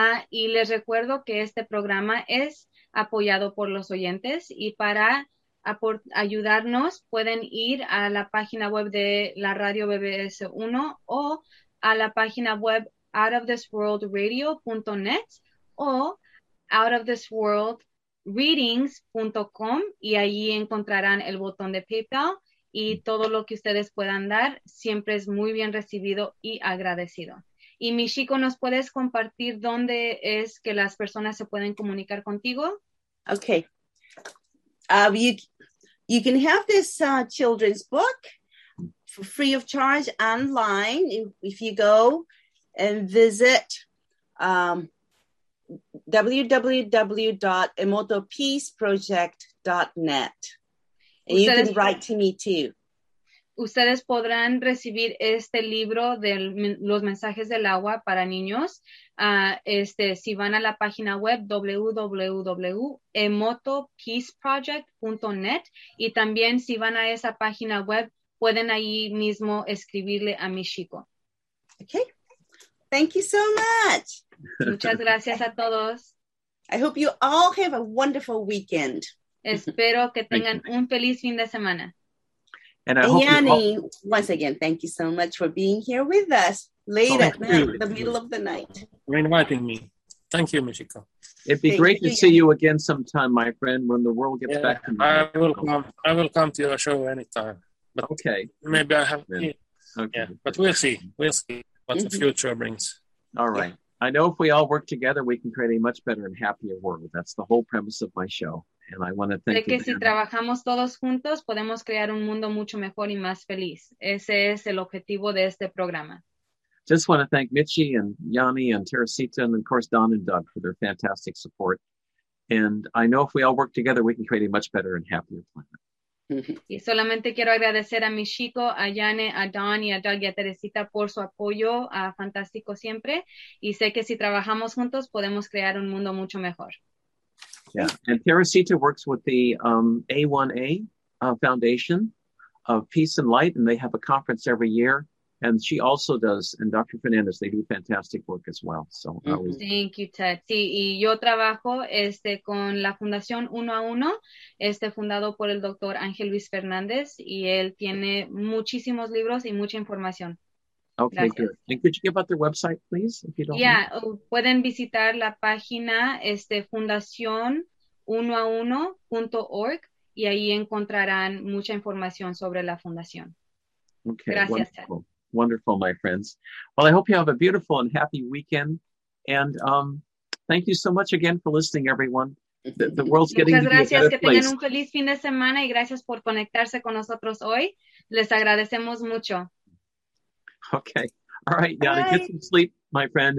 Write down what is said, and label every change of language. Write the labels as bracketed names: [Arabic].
[Spanish] Y les recuerdo que este programa es apoyado por los oyentes, y para ayudarnos, pueden ir a la página web de la radio BBS1 o a la página web outofthisworldradio.net o outofthisworldreadings.com, y allí encontrarán el botón de PayPal, y todo lo que ustedes puedan dar siempre es muy bien recibido y agradecido. Y mi chico, ¿nos puedes compartir dónde es que las personas se pueden comunicar contigo? [English] Okay. You can have this children's book for free of charge online if you go and visit www.emotopeaceproject.net. And you can write to me too. [Spanish] Ustedes podrán recibir este libro de los mensajes del agua para niños si van a la página web www.emotopeaceproject.net, y también si van a esa página web pueden ahí mismo escribirle a mi chico. [English] Okay. Thank you so much. [Spanish] Muchas gracias a todos. [English] I hope you all have a wonderful weekend. [Spanish] Espero que tengan un feliz fin de semana. [English] And I hope Yanni, once again, thank you so much for being here with us late at night, the middle of the night. For inviting me. Thank you, Michiko. It'd be great to see you again sometime, my friend, when the world gets back to normal. I will come to your show anytime. But okay. Maybe I have. Okay. Yeah, but we'll see. We'll see what the future brings. All right. Yeah. I know if we all work together, we can create a much better and happier world. That's the whole premise of my show. And I want to thank you. [Spanish] De que si trabajamos todos juntos, podemos crear un mundo mucho mejor y más feliz. Ese es el objetivo de este programa. [English] Just want to thank Michi and Yanni and Teresita and, of course, Don and Doug for their fantastic support. And I know if we all work together, we can create a much better and happier planet. [Spanish] Y solamente quiero agradecer a Michiko, a Yane, a Don y a Doug y a Teresita por su apoyo a Fantástico Siempre. Y sé que si trabajamos juntos, podemos crear un mundo mucho mejor. [English] Yeah, and Teresita works with the A1A Foundation of Peace and Light, and they have a conference every year. And she also does, and Dr. Fernandez, they do fantastic work as well. So thank you, Ted. [Spanish] Sí, y yo trabajo con la Fundación Uno a Uno, fundado por el Dr. Ángel Luis Fernández, y él tiene muchísimos libros y mucha información. [English] Okay, [Spanish] gracias. [English] Good. And could you give out their website, please, if you don't mind? [Spanish] Yeah, pueden visitar la página fundacionunoauno.org y ahí encontrarán mucha información sobre la fundación. [English] Okay, [Spanish] gracias, [English] Ted. Wonderful, my friends. Well, I hope you have a beautiful and happy weekend. And thank you so much again for listening, everyone. The world's getting [Spanish] muchas gracias, [English] to be a better [Spanish] que [English] place. [Spanish] Tengan un feliz fin de semana y gracias por conectarse con nosotros hoy. Les agradecemos mucho. [English] Okay. All right, Yanni, get some sleep, my friend.